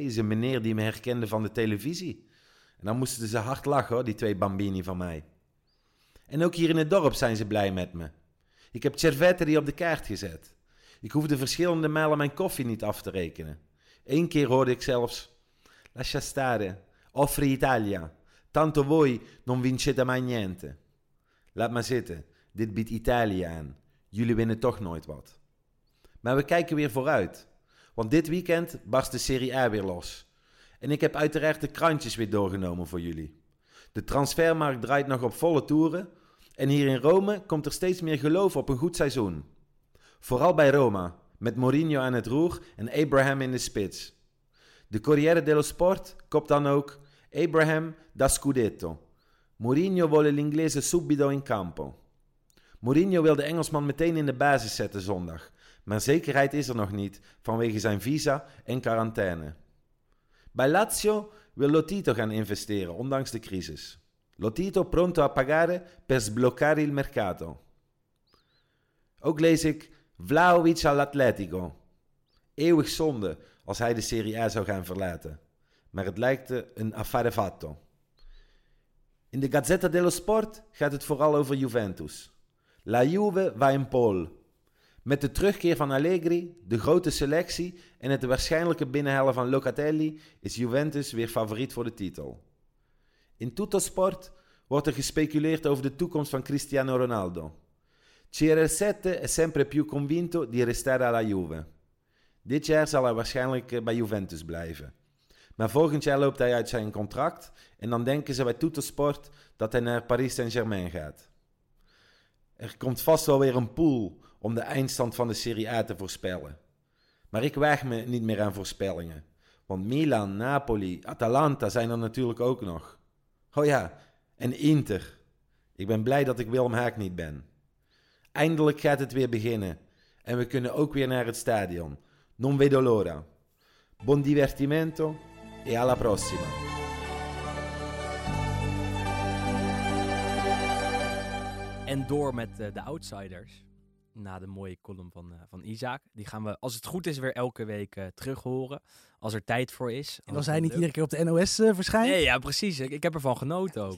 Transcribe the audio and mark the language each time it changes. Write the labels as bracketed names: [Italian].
[Dutch] Is een meneer die me herkende van de televisie. En dan moesten ze hard lachen, die twee bambini van mij. En ook hier in het dorp zijn ze blij met me. Ik heb cervetteri op de kaart gezet. Ik hoefde verschillende malen mijn koffie niet af te rekenen. 1 keer hoorde ik zelfs: [Italian] lascia stare, offri Italia. Tanto voi non vincete mai niente. [Dutch] Laat maar zitten, dit biedt Italië aan. Jullie winnen toch nooit wat. Maar we kijken weer vooruit, want dit weekend barst de Serie A weer los. En ik heb uiteraard de krantjes weer doorgenomen voor jullie. De transfermarkt draait nog op volle toeren en hier in Rome komt er steeds meer geloof op een goed seizoen. Vooral bij Roma, met Mourinho aan het roer en Abraham in de spits. De Corriere dello Sport kopt dan ook Abraham [Italian] da Scudetto. Mourinho vuole l'inglese subito in campo. [Dutch] Mourinho wil de Engelsman meteen in de basis zetten zondag. Maar zekerheid is er nog niet vanwege zijn visa en quarantaine. Bij Lazio wil Lotito gaan investeren, ondanks de crisis. [Italian] Lotito pronto a pagare per sbloccare il mercato. [Dutch] Ook lees ik Vlahovic [Italian] all'Atletico. [Dutch] Eeuwig zonde als hij de Serie A zou gaan verlaten. Maar het lijkt een [Italian] affare fatto. [Dutch] In de Gazzetta dello Sport gaat het vooral over Juventus. [Italian] La Juve va in pole. [Dutch] Met de terugkeer van Allegri, de grote selectie en het waarschijnlijke binnenhalen van Locatelli is Juventus weer favoriet voor de titel. In Tutto Sport wordt er gespeculeerd over de toekomst van Cristiano Ronaldo. [Italian] CR7 è sempre più convinto di restare alla Juve. [Dutch] Dit jaar zal hij waarschijnlijk bij Juventus blijven. Maar volgend jaar loopt hij uit zijn contract en dan denken ze bij Tutto Sport dat hij naar Paris Saint-Germain gaat. Er komt vast wel weer een pool om de eindstand van de Serie A te voorspellen. Maar ik waag me niet meer aan voorspellingen. Want Milan, Napoli, Atalanta zijn er natuurlijk ook nog. Oh ja, en Inter. Ik ben blij dat ik Willem Haak niet ben. Eindelijk gaat het weer beginnen. En we kunnen ook weer naar het stadion. [Italian] Non vedo l'ora. Buon divertimento e alla prossima. [Dutch] En door met de outsiders. Na de mooie column van Isaac. Die gaan we, als het goed is, weer elke week terug horen. Als er tijd voor is. En als hij niet iedere keer op de NOS verschijnt? Nee, ja, precies. Ik heb ervan genoten ook.